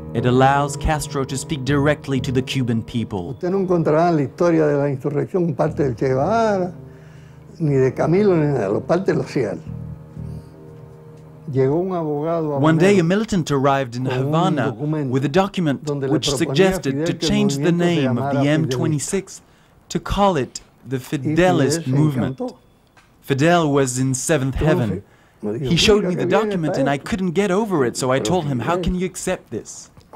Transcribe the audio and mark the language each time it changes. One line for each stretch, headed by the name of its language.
English: It allows Castro to speak directly to the Cuban people.
Spanish: Usted no encontrará en la historia de la insurrección parte del Che Guevara, ni de Camilo, ni nada, lo parte lo hacía.
English: One day, a militant arrived in Havana with a document which suggested to change the name of the M26 to call it the Fidelist Movement. Fidel was in seventh heaven. He showed me the document and I couldn't get over it, so I told him, how can you accept this?